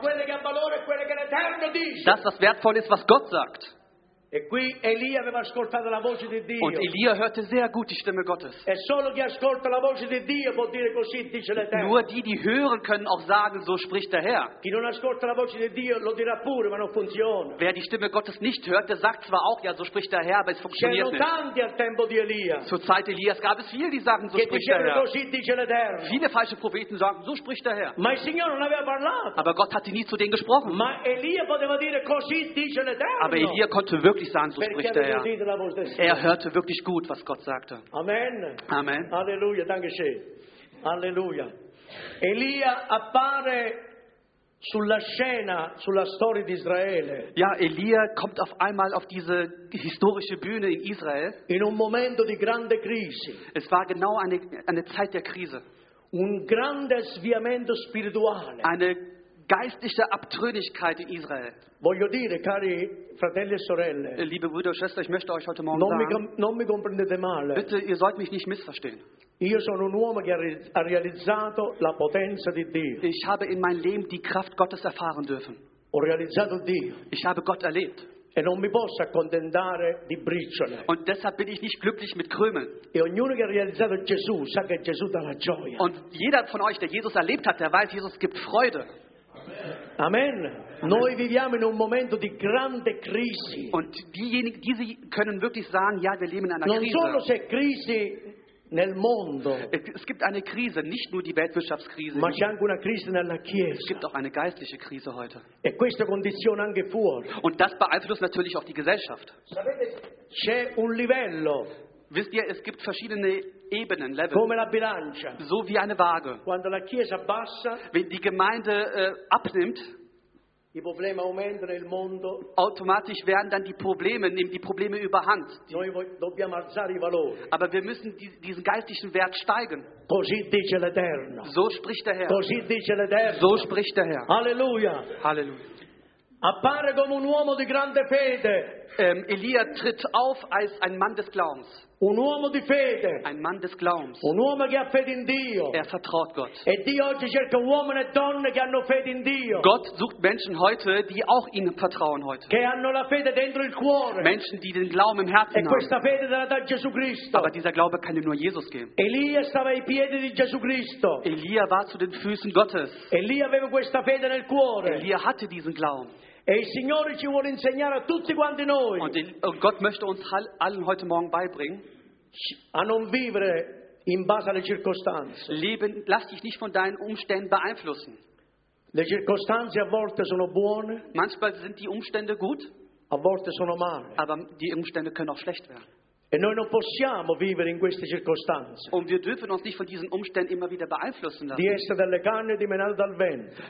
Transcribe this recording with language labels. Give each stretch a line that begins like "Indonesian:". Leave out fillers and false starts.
Italian: Ma quello che ha valore, quello che l'Eterno dice.
German: Das, was wertvoll ist, was Gott sagt.
Italian: E qui Elia aveva ascoltato la voce di Dio.
German: Und Elia hörte sehr gut die Stimme Gottes.
Italian: E solo chi ascolta la voce di Dio può dire così, dice l'Eterno.
German: Nur die, die hören, können auch sagen, so spricht der Herr.
Italian: Chi non ascolta la voce di Dio lo dirà pure, ma non funziona.
German: Wer die Stimme Gottes nicht hört, der sagt zwar auch, ja, so spricht der Herr, aber es funktioniert nicht.
Italian: C'erano tanti al tempo di Elia.
German: Zur Zeit Elias gab es viele, die sagen, so spricht der Herr.
Italian: Così, dice l'Eterno.
German: Viele falsche Propheten sagen, so spricht der Herr.
Italian: Ma il Signore non aveva parlato.
German: Aber Gott hatte nie zu denen gesprochen.
Italian: Ma Elia poteva dire così, dice l'Eterno.
German: Aber Elia konnte wirklich sagen, so spricht der Herr. Er hörte wirklich gut, was Gott sagte.
Italian: Amen.
German: Amen. Alleluia, danke schön. Alleluia.
Italian: Elia appare sulla scena, sulla storia di Israele.
German: Ja, Elia kommt auf einmal auf diese historische Bühne in Israel.
Italian: In un momento di grande crisi.
German: Es war genau eine Zeit der Krise.
Italian: Un grande sviamento spirituale.
German: Eine geistliche Abtrünnigkeit in Israel.
Italian: Voglio dire, cari fratelli e sorelle,
German: liebe Brüder und Schwestern, ich möchte euch heute Morgen sagen,
Italian: non mi comprendete male.
German: Bitte, ihr sollt mich nicht missverstehen.
Italian: Io sono un uomo che ha realizzato la potenza di Dio.
German: Ich habe in meinem Leben die Kraft Gottes erfahren dürfen.
Italian: Ho realizzato Dio.
German: Ich habe Gott erlebt.
Italian: E non mi posso accontentare di briciole.
German: Und deshalb bin ich nicht glücklich mit Krümeln.
Italian: E ognuno che ha realizzato Gesù sa che Gesù dà la gioia.
German: Und jeder von euch, der Jesus erlebt hat, der weiß, Jesus gibt Freude. Amen. Amen.
Italian: Noi viviamo in un momento di grande crisi.
German: Und diejenigen, die sie können wirklich sagen, ja, wir leben in einer
Italian: non
German: Krise.
Italian: Non solo c'è crisi nel mondo.
German: Es gibt eine Krise, nicht nur die Weltwirtschaftskrise.
Italian: Ma c'è anche una crisi nella Chiesa.
German: Es gibt auch eine geistliche Krise heute.
Italian: E questa condizione anche fuori.
German: Und das beeinflusst natürlich auch die Gesellschaft.
Italian: Sapete, c'è un livello.
German: Wisst ihr, es gibt verschiedene Ebenen, Level.
Italian: Come la bilancia.
German: So wie eine Waage.
Italian: Quando la chiesa bassa,
German: wenn die Gemeinde abnimmt,
Italian: i problemi aumentano nel mondo,
German: automatisch werden dann die Probleme überhand.
Italian: Noi dobbiamo alzare i valori.
German: Aber wir müssen diesen geistlichen Wert steigen.
Italian: Così dice l'Eterno.
German: So spricht der Herr.
Italian: Così dice l'Eterno.
German: So spricht der Herr.
Italian: Alleluia.
German: Halleluja.
Italian: Appare come un uomo di grande fede.
German: Elia tritt auf als ein Mann des Glaubens.
Italian: Un uomo di fede.
German: Ein Mann des Glaubens.
Italian: Un uomo che ha fede in Dio.
German: Er vertraut Gott.
Italian: E Dio oggi cerca uomini e donne che hanno fede in Dio.
German: Gott sucht Menschen heute, die auch ihm vertrauen heute.
Italian: Che hanno la fede dentro il cuore.
German: Menschen, die den Glauben im Herzen haben.
Italian: E questa fede la dà Gesù Cristo.
German: Aber dieser Glaube kann nur Jesus geben.
Italian: Elia stava ai piedi di Gesù Cristo.
German: Elia war zu den Füßen Gottes.
Italian: Elia aveva questa fede nel cuore.
German: Elia hatte diesen Glauben.
Italian: E il Signore ci vuole insegnare a tutti quanti noi.
German: Und Gott möchte uns allen heute Morgen beibringen,
Italian: a non vivere in base alle circostanze.
German: Leben, lass dich nicht von deinen Umständen beeinflussen.
Italian: Le circostanze a volte sono buone.
German: Manchmal sind die Umstände gut.
Italian: A volte sono male.
German: Aber die Umstände können auch schlecht werden.
Italian: E noi non possiamo vivere in queste circostanze.
German: Und wir dürfen uns nicht von diesen Umständen immer wieder beeinflussen lassen.
Italian: Di essere delle canne dimenate dal vento.